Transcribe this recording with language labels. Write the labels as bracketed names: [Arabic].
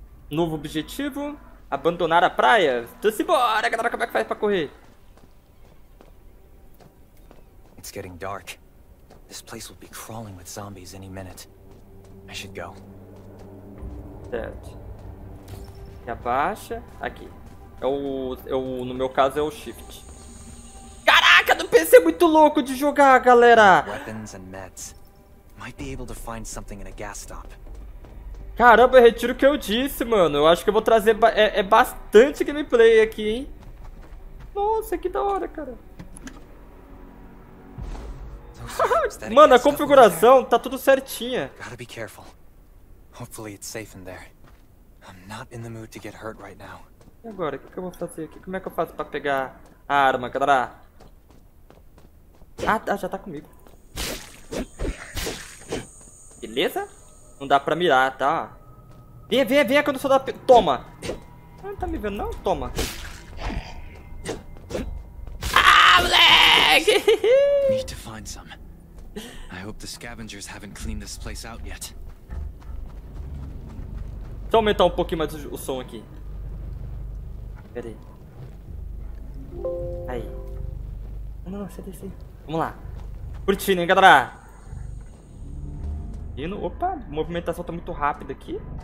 [Portuguese] Novo objetivo... Abandonar a praia? Então simbora, galera, como é que faz pra correr? [English] It's getting dark. This place will be crawling with zombies any minute. I should go. [Portuguese] Certo. E abaixa. Aqui. No meu caso é o shift. Caraca, no PC é muito louco de jogar, galera! [English] Weapons and meds. Might be able to find something in a gas stop. [Portuguese] Caramba, eu retiro o que eu disse, mano. Eu acho que eu vou trazer bastante gameplay aqui, hein? Nossa, que da hora, cara. Mano, a configuração tá tudo certinha. [English] Gotta be careful. Hopefully it's safe in there. I'm not in the mood to get hurt right now. [Portuguese] E agora, o que eu vou fazer aqui? Como é que eu faço pra pegar a arma, galera? Ah, já tá comigo. Beleza? Não dá pra mirar, tá? Venha quando eu sou da... Toma! Não tá me vendo não? Toma! Ah, moleque! [English] Need to find some. I hope the scavengers haven't cleaned this place out yet. [Portuguese] Deixa eu aumentar um pouquinho mais o som aqui. Pera aí. Aí. Não, sai desse. Vamos lá. Curtindo, hein, galera? Opa, a movimentação tá muito rápida aqui.